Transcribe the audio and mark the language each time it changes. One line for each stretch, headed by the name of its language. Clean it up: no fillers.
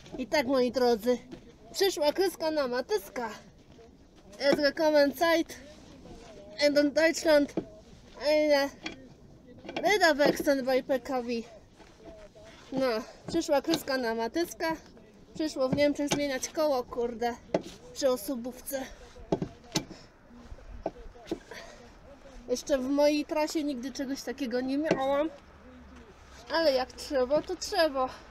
Polish: tak, moi drodzy, przyszła kreska na matyska.
German: Es gekommen Zeit and in Deutschland eine Räderwechsel bei PKW.
Polish: No, przyszła kreska na matyska. Przyszło w Niemczech zmieniać koło, kurde, przy osobówce. Jeszcze w mojej trasie nigdy czegoś takiego nie miałam. Ale jak trzeba, to trzeba.